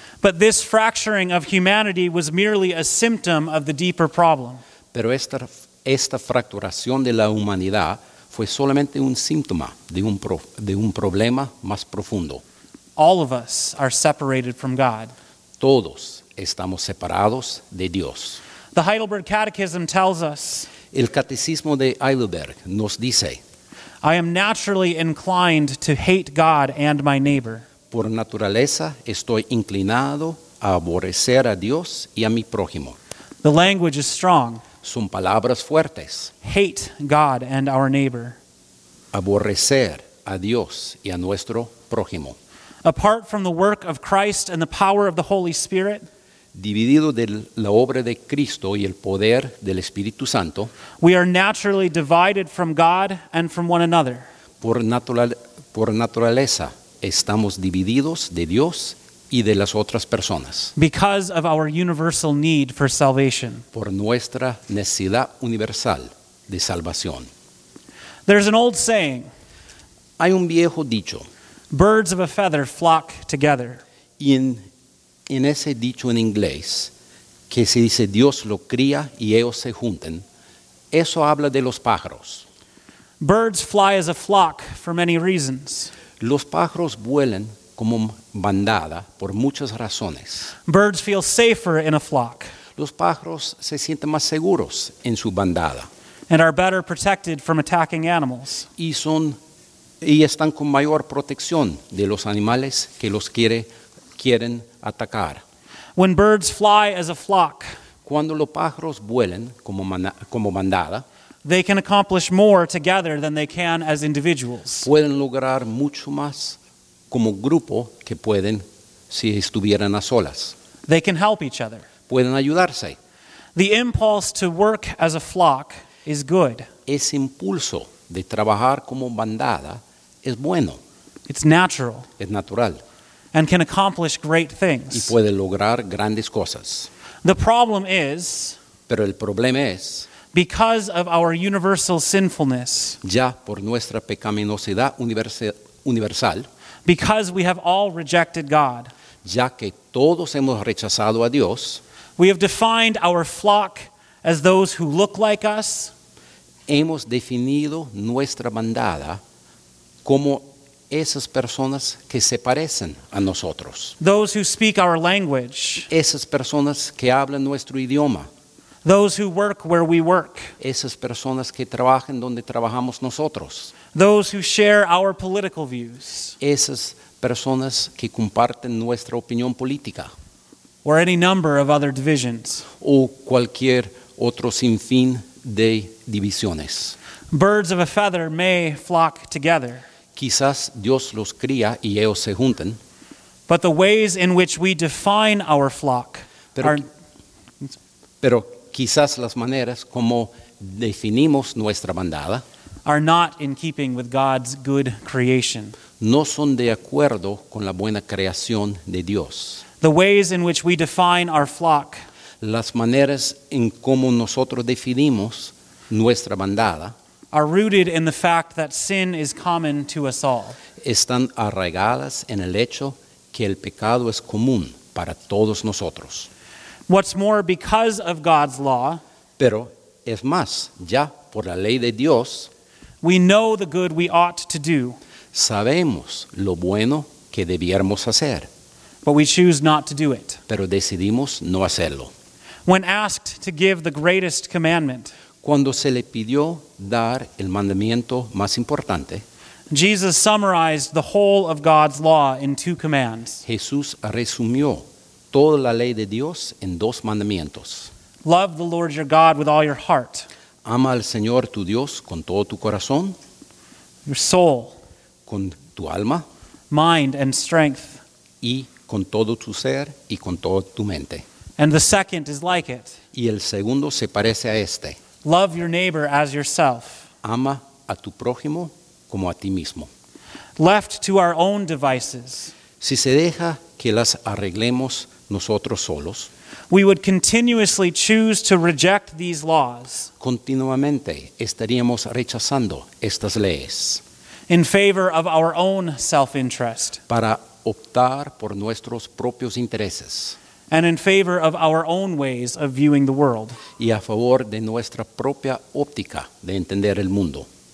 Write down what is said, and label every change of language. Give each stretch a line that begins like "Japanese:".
English: But this fracturing of humanity was merely a symptom of the deeper problem.
Spanish: Pero esta fracturación de la humanidad fue solamente un síntoma de un problema más profundo.
English: All of us are separated from God.
Spanish: Todos estamos separados de Dios.
English: The Heidelberg Catechism tells us.
Spanish: El Catecismo de Heidelberg nos dice.
English: I am naturally inclined to hate God and my neighbor.
Spanish: Por naturaleza estoy inclinado a aborrecer a Dios y a mi prójimo.
English: The language is strong.
Spanish: Son palabras fuertes.
English: Hate God and our neighbor.
Spanish: Aborrecer a Dios y a nuestro prójimo.
English: Apart from the work of Christ and the power of the Holy Spirit.
Spanish: Dividido de la obra de Cristo y el poder del Espíritu Santo.
English: We are naturally divided from God and from one another.
Spanish: Por naturaleza estamos divididos de Dios y de las otras personas.
English: Because of our universal need for salvation.
Spanish: Por nuestra necesidad universal de salvación.
English: There's an old saying.
Spanish: Hay un viejo dicho.
English: Birds of a feather flock together.
Spanish: Y en ese dicho en inglés, que se dice Dios lo cría y ellos se juntan, eso habla de los pájaros.
English: Birds fly as a flock for many reasons.
Spanish: Los pájaros vuelan como bandada por muchas razones.
English: Birds feel safer in a flock.
Spanish: Los pájaros se sienten más seguros en su bandada.
English: And are better protected from attacking animals.
Spanish: Y están con mayor protección de los animales que los quieren atacar.
English: When birds fly as a flock,
Spanish: cuando los pájaros vuelan como bandada,
English: they can accomplish more together than they can as individuals.
Spanish: Pueden lograr mucho más como grupo que pueden si estuvieran a solas.
English: They can help each other.
Spanish: Pueden ayudarse.
English: The impulse to work as a flock is good.
Spanish: Ese impulso de trabajar como bandada es bueno.
English: It's natural.
Spanish: Es natural.
English: And can accomplish great things.
Spanish: Y puede lograr grandes cosas.
English: The problem is,
Spanish: pero el problema es,
English: because of our universal sinfulness,
Spanish: ya por nuestra pecaminosidad universal,
English: because we have all rejected God,
Spanish: ya que todos hemos rechazado a Dios,
English: we have defined our flock as those who look like us,
Spanish: hemos definido nuestra bandada como esas personas que se parecen a nosotros,
English: those who speak our language,
Spanish: esas personas que hablan nuestro idioma,
English: those who work where we work,
Spanish: esas personas que trabajan donde trabajamos nosotros,
English: those who share our political views,
Spanish: esas personas que comparten nuestra opinión política,
English: or any number of other divisions,
Spanish: o cualquier otro sinfín de divisiones.
English: Birds of a feather may flock together.
Spanish: Quizás Dios los cría y ellos se juntan.
English: But the ways in which we define our flock
Spanish: pero quizás las maneras como definimos nuestra bandada
English: are not in keeping with God's good creation.
Spanish: No son de acuerdo con la buena creación de Dios.
English: The ways in which we define our flock,
Spanish: las maneras en cómo nosotros definimos nuestra bandada,
English: are rooted in the fact that sin is common to us all.
Spanish: Están arraigadas en el hecho que el pecado es común para todos nosotros.
English: What's more, because of God's law,
Spanish: pero es más, ya por la ley de Dios,
English: we know the good we ought to do.
Spanish: Sabemos lo bueno que debiéramos hacer.
English: But we choose not to do it.
Spanish: Pero decidimos no hacerlo.
English: When asked to give the greatest commandment,
Spanish: cuando se le pidió dar el mandamiento más importante,
English: Jesus summarized the whole of God's law in two commands.
Spanish: Jesús resumió toda la ley de Dios en dos mandamientos.
English: Love the Lord your God with all your heart.
Spanish: Ama al Señor tu Dios con todo tu corazón.
English: Your soul.
Spanish: Con tu alma.
English: Mind and strength.
Spanish: Y con todo tu ser y con toda tu mente.
English: And the second is like it.
Spanish: Y el segundo se parece a este.
English: Love your neighbor as yourself.
Spanish: Ama a tu prójimo como a ti mismo.
English: Left to our own devices,
Spanish: si se deja que las arreglemos nosotros solos,
English: we would continuously choose to reject these laws.
Spanish: Continuamente estaríamos rechazando estas leyes.
English: In favor of our own self-interest.
Spanish: Para optar por nuestros propios intereses.
English: And in favor of our own ways of viewing the world.
Spanish: Y a favor de nuestra propia óptica de entender el mundo.